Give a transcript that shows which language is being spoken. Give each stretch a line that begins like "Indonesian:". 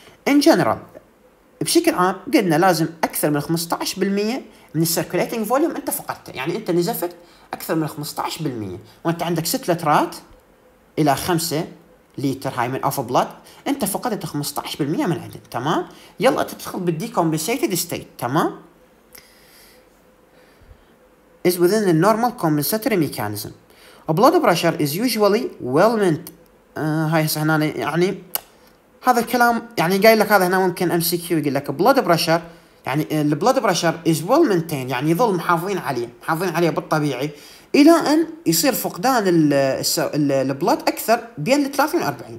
English: in general
Arabic: بشكل عام قلنا لازم اكثر من 15% من circulating volume انت فقدته، يعني انت نزفت اكثر من 15% وانت عندك 6 لترات الى 5 ليتر هاي من اوف بلاد، انت فقدت 15% من عدد، تمام؟ يلا تدخل بالديكومبنسيتد ستيت، تمام؟
English: is within the normal compensatory mechanism. A blood pressure is usually well maintained.
Arabic: هاي هنا يعني هذا الكلام يعني قايل لك هذا هنا ممكن ام سي كيو يقول لك blood pressure يعني
English: blood pressure is well maintained
Arabic: يعني يظل محافظين عليه بالطبيعي الى ان يصير فقدان البلد اكثر بين 30 و40.